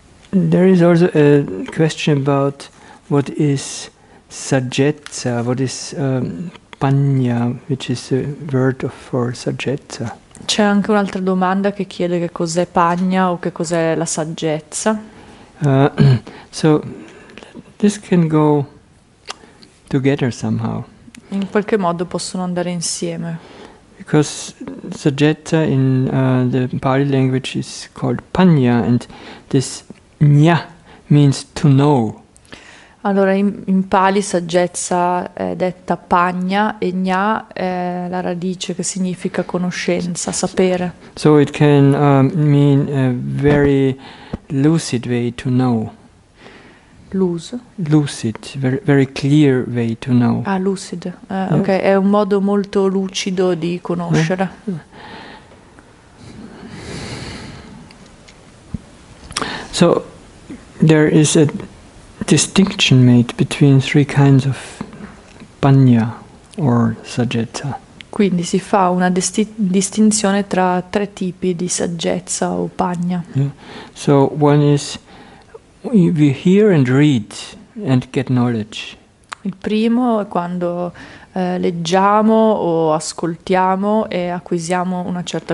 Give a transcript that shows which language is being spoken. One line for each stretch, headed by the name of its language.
English: There is also a question about what is saggezza, what is panna, which is a word for saggezza.
Italian: C'è anche un'altra domanda che chiede che cos'è pagna o che cos'è la saggezza.
English: So this can go together somehow.
Italian: In qualche modo possono andare insieme.
English: Because saggezza in the Pali language is called panya, and this nya means to know.
Italian: Allora, in Pali saggezza è detta pagna e gna è la radice che significa conoscenza, sapere.
English: So it can mean a very lucid way to know.
Italian: Luso.
English: Lucid, very clear way to know. Ah, lucid.
Italian: Ok, è un modo molto lucido di conoscere.
English: So there is a distinction made between three kinds of panya or saggezza.
Italian: Quindi si fa una distinzione tra tre tipi di saggezza o pagna.
English: So one is we hear and read and get knowledge.
Italian: Il primo è quando leggiamo o ascoltiamo e acquisiamo una certa